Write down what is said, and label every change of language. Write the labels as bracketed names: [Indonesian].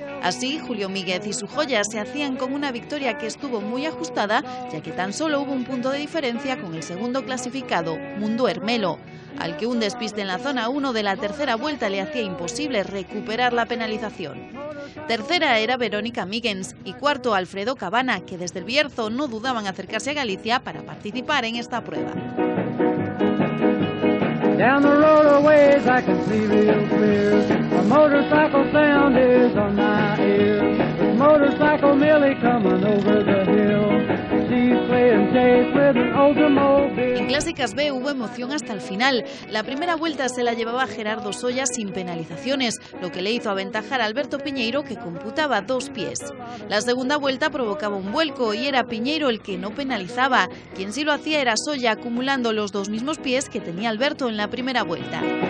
[Spanish] Así, Julio Míguez y su joya se hacían con una victoria que estuvo muy ajustada, ya que tan solo hubo un punto de diferencia con el segundo clasificado, Mundo Hermelo, al que un despiste en la zona 1 de la tercera vuelta le hacía imposible recuperar la penalización. Tercera era Verónica Miggins y cuarto Alfredo Cabana, que desde el Bierzo no dudaban acercarse a Galicia para participar en esta prueba. [English] Down the road a ways I can see real clear. A motorcycle sound is on my ear. It's motorcycle Millie coming over the hill. She's playing chase with an automobile. [Spanish] En clásicas B hubo emoción hasta el final. La primera vuelta se la llevaba Gerardo Soya sin penalizaciones, lo que le hizo aventajar a Alberto Piñeiro, que computaba dos pies. La segunda vuelta provocaba un vuelco y era Piñeiro el que no penalizaba. Quien sí lo hacía era Soya, acumulando los dos mismos pies que tenía Alberto en la primera vuelta.